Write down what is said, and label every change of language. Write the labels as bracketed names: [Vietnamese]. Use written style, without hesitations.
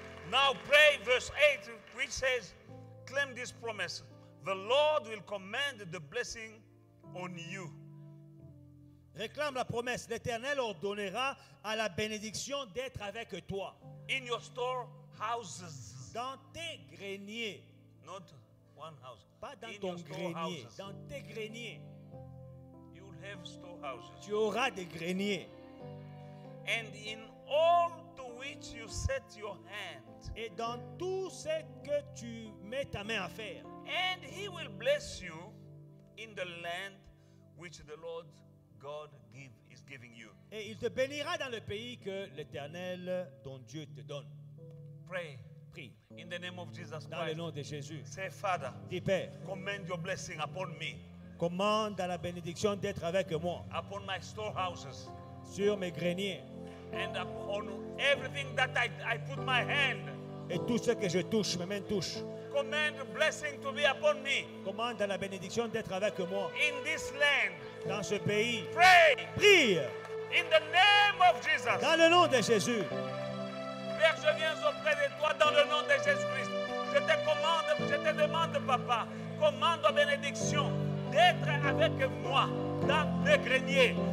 [English] Now pray verse 8, which says, claim this promise. The Lord will command the blessing on you. [French] Réclame la promesse. L'Éternel ordonnera à la bénédiction d'être avec toi. [English] In your storehouses. [French] Dans tes greniers. [English] Not one house. [French] Pas dans ton grenier. Dans tes greniers. [English] You will have storehouses. [French] Tu auras des greniers. [English] And in all to which you set your hand. [French] Et dans tout ce que tu mets ta main à faire. [English] And he will bless you in the land which the Lord God is giving you. [French] Et il te bénira dans le pays que l'Éternel, ton Dieu, te donne. [English] Pray. [French] Prie. [English] In the name of Jesus Christ. [French] Dans le nom de Jésus. [English] Say, Father. [French] Dis, Père. [English] Command your blessing upon me. [French] Commande à la bénédiction d'être avec moi. [English] Upon my storehouses. [French] Sur mes greniers. [English] And upon everything that I put my hand. [French] Et tout ce que je touche, mes mains touchent. [English] Command blessing to be upon me. [French] Commande la bénédiction d'être avec moi. [English] In this land. [French] Dans ce pays. [English] Pray. [French] Prie. [English] In the name of Jesus. [French] Dans le nom de Jésus. Père, je viens auprès de toi dans le nom de Jésus Christ. Je te commande, je te demande, Papa, commande la bénédiction d'être avec moi dans le grenier.